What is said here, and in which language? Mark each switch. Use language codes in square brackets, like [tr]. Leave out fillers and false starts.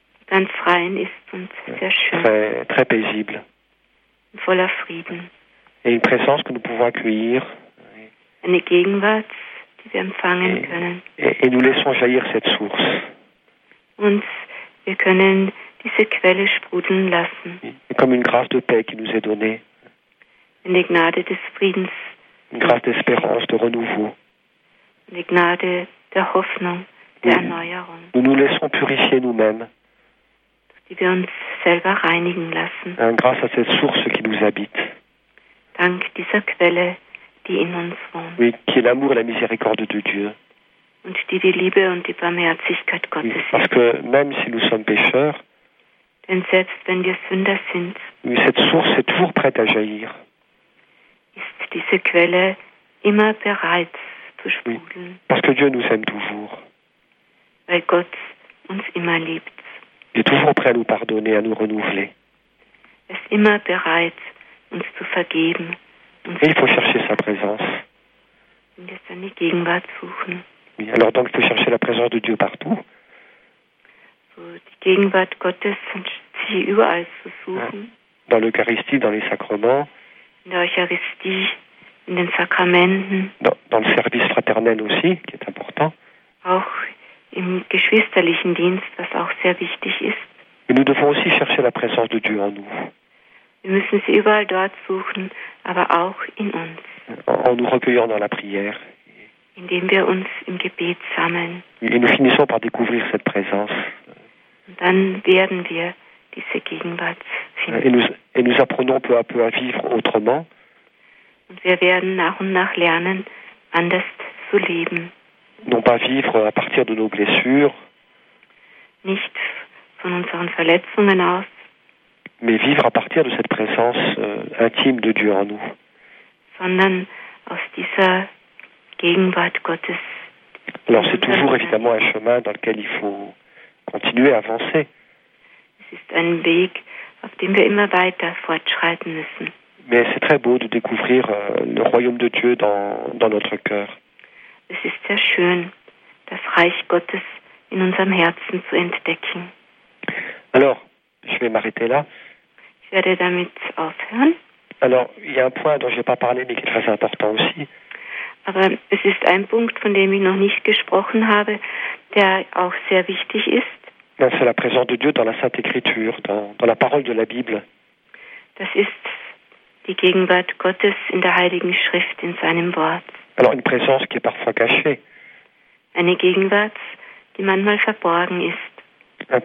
[de] ganz rein ist und sehr schön, [fr] très, très paisible, [de] voller Frieden, [fr] et une présence que nous pouvons accueillir, [de] eine Gegenwart, die wir empfangen können, [fr] et nous laissons jaillir cette source, [de] und wir können diese Quelle sprudeln lassen, [fr] et comme une grâce de paix qui nous est donnée, [de] eine Gnade des Friedens, [fr] une grâce d'espérance, de renouveau, [de] eine Gnade der Hoffnung, der Erneuerung, [fr] nous nous laissons purifier nous-mêmes, [de] die wir uns selber reinigen lassen, [fr] grâce à cette source qui nous habite, [de] dank dieser Quelle, die in uns wohnt, [fr] oui, qui est l'amour et la miséricorde de Dieu, [de] und die die Liebe und die Barmherzigkeit Gottes, oui, [fr] parce que même si nous sommes pécheurs, [de] denn selbst wenn wir Sünder sind, [fr] oui, cette source est toujours prête à jaillir, [de] ist diese Quelle immer bereit zu sprudeln, oui, [fr] parce que Dieu nous aime toujours, [de] weil Gott uns immer liebt. [fr] Il est toujours prêt à nous pardonner, à nous renouveler. Il est toujours prêt à nous [de] vergeben. [fr] Et il faut chercher sa présence. Il faut chercher sa [de] Gegenwart suchen. [fr] Oui, alors donc il faut chercher la présence de Dieu partout. [de] So, die Gegenwart Gottes, sie überall zu suchen. [fr] Dans l'Eucharistie, dans les sacrements. [de] In der Eucharistie, in den Sakramenten. [fr] Dans le service fraternel aussi, qui est important. [de] Auch im geschwisterlichen Dienst, was auch sehr wichtig ist. [fr] Et nous devons aussi chercher la présence de Dieu en nous. [de] Wir müssen sie überall dort suchen, aber auch in uns. [fr] En nous recueillant dans la prière. [de] Indem wir uns im Gebet sammeln. [fr] Et nous finissons par découvrir cette présence. [de] Und dann werden wir diese Gegenwart finden. [fr] Et nous apprenons peu à peu à vivre autrement. [de] Und wir werden nach und nach lernen, anders zu leben. [fr] Non pas vivre à partir de nos blessures, [de] nicht von unseren Verletzungen aus, [fr] mais vivre à partir de cette présence intime de Dieu en nous, [de] sondern aus dieser Gegenwart Gottes. [fr] Alors c'est toujours évidemment un chemin dans lequel il faut continuer à avancer. [de] Es ist ein Weg, auf dem wir immer weiter fortschreiten müssen. [fr] Mais c'est très beau de découvrir le royaume de Dieu dans notre cœur. [de] Es ist sehr schön, das Reich Gottes in unserem Herzen zu entdecken. [fr] Alors, je vais m'arrêter là. [de] Ich werde damit aufhören. [fr] Alors, il y a un point dont je n'ai pas parlé, mais qui est très important aussi. [de] Aber es ist ein Punkt, von dem ich noch nicht gesprochen habe, der auch sehr wichtig ist. [fr] Non, c'est la présence de Dieu dans la Sainte Écriture, dans la parole de la Bible. [de] Das ist die Gegenwart Gottes in der Heiligen Schrift, in seinem Wort. [fr] Alors une présence qui est parfois cachée. [de] Eine Gegenwart, die manchmal verborgen ist.